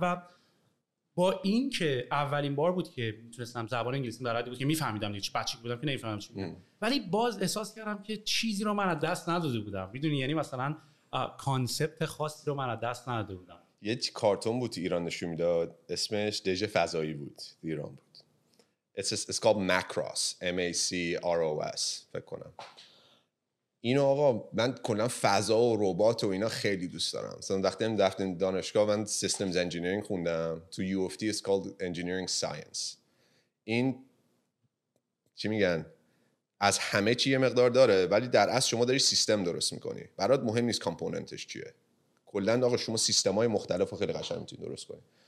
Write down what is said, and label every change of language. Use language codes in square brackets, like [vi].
[fa] و با این که اولین بار بود که میتونستم زبان انگلیسی در حدی بود که میفهمیدم دیگه، چی بچگی بودم که نمیفهمم چی بودم، ولی باز احساس کردم که چیزی رو من از دست نداده بودم، میدونی، یعنی مثلا کانسپت خاصی رو من از دست نداده بودم. یه کارتون بود ایران نشون میداد، اسمش دژ فضایی بود، ایران بود. [en] It's called Macross, M-A-C-R-O-S [fa] فکر کنم. اینو آقا من کلا فضا و ربات و اینا خیلی دوست دارم. مثلا وقتی من رفتم دانشگاه من سیستمز انجینیرینگ خوندم، تو UFT [en] it's called Engineering Science. [fa] این چی میگن از همه چی یه مقدار داره، ولی در اصل شما داری سیستم درست میکنی، برات مهم نیست کامپوننتش چیه، کلا آقا شما سیستمای مختلف خیلی قشنگ میتونی درست کنی.